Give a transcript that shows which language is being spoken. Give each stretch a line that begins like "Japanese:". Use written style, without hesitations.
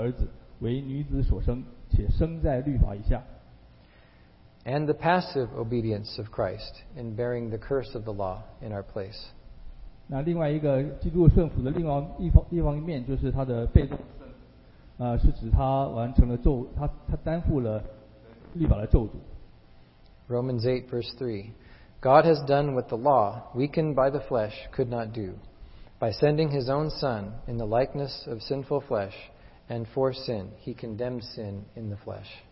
Chinese: 基督的主动的顺服，就是他完全顺服律法，是在加拉太书第四章第四节，那里说到，极至时候满足，上帝就差遣他的儿子为女子所生，且生在律法以下。
English: And the passive obedience of Christ in bearing the curse of the law in our place.
Chinese: 那另外一个基督顺服的另外一方面，就是他的被动。是指他完成了咒，他担负了律法的咒诅。
English: Romans 8 verse 3, God has done what the law, weakened by the flesh, could not do, by sending His own Son in the likeness of sinful flesh, and for sin He condemned sin in the flesh.